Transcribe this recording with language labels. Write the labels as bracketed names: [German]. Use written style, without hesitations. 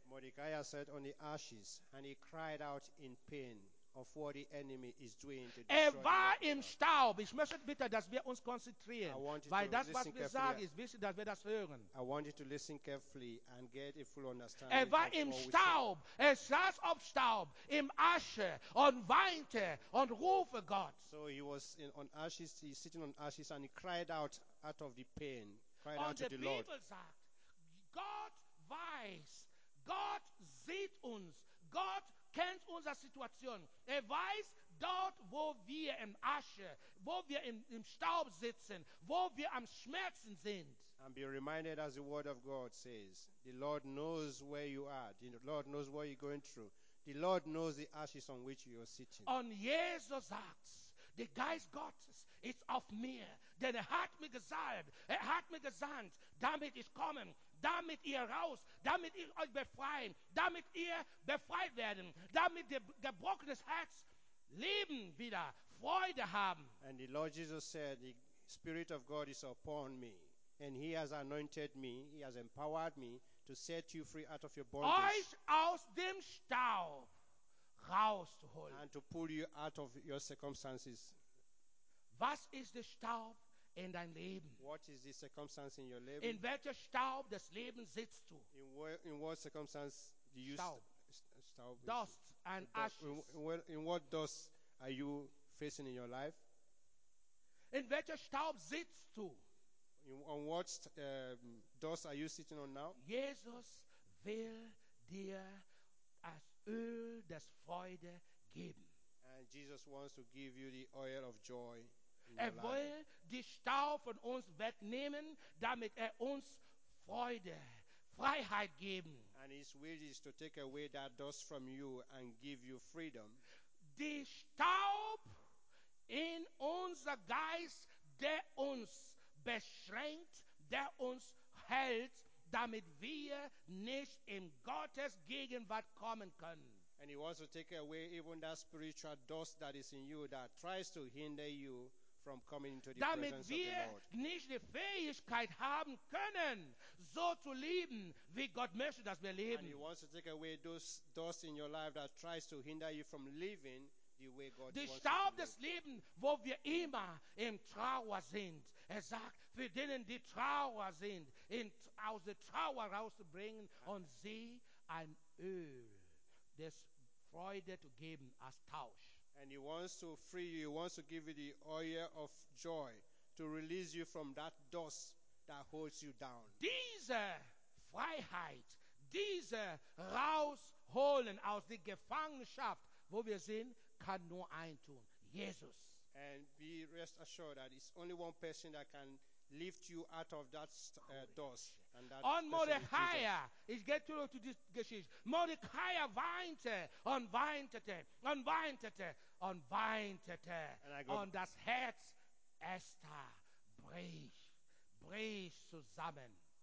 [English] Mordechai sat on the ashes and he cried out in pain of what the enemy is doing to destroy. [German] War im Staub. Ich möchte bitte, dass wir uns konzentrieren, weil das, was wir sagen, ist wichtig, dass wir das hören. [English] I want you to listen carefully and get a full understanding. [German] War im Staub. Saß auf Staub, im Asche, und weinte und rufe Gott. [English] So he was on ashes, he was sitting on ashes and he cried out of the pain, cried out to the Lord. [German] Und die Bibel sagt, Gott weiß, Gott sieht uns, Gott kennt unsere Situation. Weiß dort, wo wir im Asche, wo wir im Staub sitzen, wo wir am Schmerzen sind. [English] And be reminded, as the word of God says, the Lord knows where you are. The Lord knows what you're going through. The Lord knows the ashes on which you're sitting. [German] Und Jesus sagt, the Geist Gottes ist auf mir, denn hat mich gesalbt, hat mich gesandt, damit ich komme. Damit ihr raus, damit ihr euch befreien, damit ihr befreit werden, damit der gebrochenes Herz Leben wieder, Freude haben. [English] And the Lord Jesus said, the Spirit of God is upon me, and he has anointed me, he has empowered me to set you free out of your bondage. [German] Euch aus dem Staub rauszuholen. [English] And to pull you out of your circumstances. [German] Was ist der Staub? In dein Leben. [English] What is the circumstance in your life? [German] In welcher Staub des Lebens sitzt du? [English] In what circumstance do you [German] Staub. [English] Dust and ashes. In what dust are you facing in your life? [German] In welcher Staub sitzt du? [English] On what dust are you sitting on now? [German] Jesus will dir das Öl des Freude geben. [English] And Jesus wants to give you the oil of joy. [German] Will die Staub von uns wegnehmen, damit uns Freude, Freiheit geben. [English] And his will is to take away that dust from you and give you freedom. [German] Die Staub in unser Geist, der uns beschränkt, der uns hält, damit wir nicht in Gottes Gegenwart kommen können. [English] And he wants to take away even that spiritual dust that is in you that tries to hinder you from coming into the [German] damit [English] presence [German] wir [English] of the Lord. [German] Nicht die Fähigkeit haben können, so zu leben, wie Gott möchte, dass wir leben. [English] And he wants to take away those dust in your life that tries to hinder you from living the way God [German] die [English] wants [German] Staub [English] to live. [German] Des Lebens, wo wir immer im Trauer sind. Sagt, für denen die Trauer sind, aus der Trauer rauszubringen und sie ein Öl des Freude zu geben als Tausch. [English] And he wants to free you, he wants to give you the oil of joy to release you from that dust that holds you down. [German] Diese Freiheit, diese rausholen aus der Gefangenschaft, wo wir sind, kann nur ein tun, Jesus. [English] And be rest assured that it's only one person that can lift you out of that doors. And that on Mordecai, it get to this geschichte. [German] Mordecai weinte und weinte und weinte und weinte und das Herz Esther bricht zusammen.